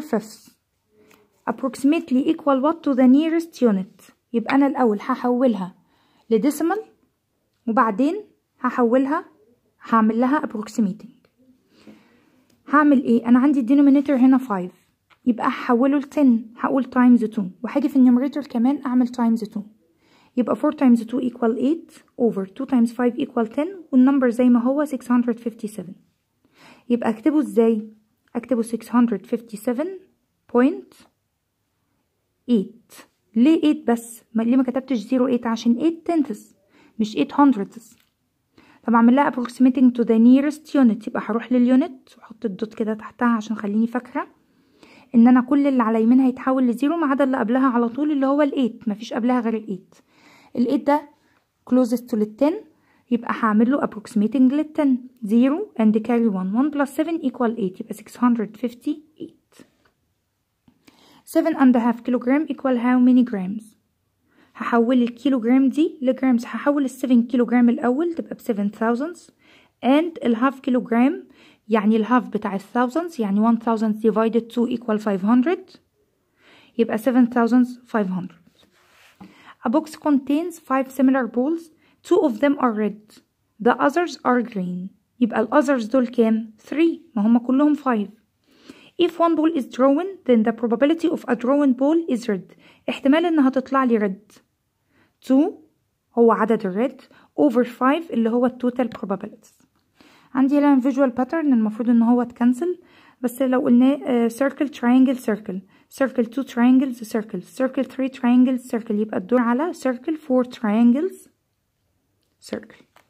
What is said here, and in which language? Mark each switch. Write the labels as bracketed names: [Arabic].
[English] $657.45 approximately equal what to the nearest unit. [Arabic] يبقى أنا الأول هحولها لديسمال وبعدين هحولها هعمل لها [English] approximating. [Arabic] هعمل إيه؟ أنا عندي denominator هنا 5 يبقى هحوله ل 10 هقول times 2 وحاجة في النيوميريتور كمان أعمل times 2 يبقى [English] 4 times 2 equal 8 over 2 times 5 equal 10 [Arabic] والنمبر زي ما هو 657. يبقى اكتبه ازاي؟ اكتبه 657.8. ليه 8 بس؟ ما ليه ما كتبتش 08؟ عشان [English] 8 tenths [Arabic] مش [English] 8 hundredths. [Arabic] طب اعمل لها [English] approximating to the nearest unit. [Arabic] يبقى هروح لليونت وحط الدوت كده تحتها عشان خليني فاكرة ان انا كل اللي على يمينها هيتحول لزيرو ما عدا اللي قبلها على طول اللي هو ال 8. مفيش قبلها غير ال 8. ال 8 ده [English] closest to the 10 [Arabic] يبقى هعمل له approximating لل 10. [English] 0 and carry 1. 1 plus 7 equal 8 [Arabic] يبقى [English] 658. 7 and a half kilogram equal how many grams. [Arabic] هحول الكيلوغرام دي لجرامز. هحول ال 7 كيلوغرام الأول تبقى ب 7000s and ال half kilogram يعني ال half بتاع ال thousands يعني 1000 divided 2 equal 500 يبقى 7500. [English] A box contains 5 similar balls. 2 of them are red. The others are green. [Arabic] يبقى الأذرز دول كام؟ 3. ما هم كلهم 5. [English] If one ball is drawn, then the probability of a drawn ball is red. [Arabic] احتمال انها تطلع لي red. 2 هو عدد [English] red over 5 [Arabic] اللي هو [English] total probabilities. [Arabic] عندي هنا [English] visual pattern [Arabic] المفروض ان هو تكنسل. بس لو قلنا [English] circle, triangle, circle. Circle 2 triangles, circle. Circle 3 triangles, circle. يبقى الدور على circle 4 triangles. Circle.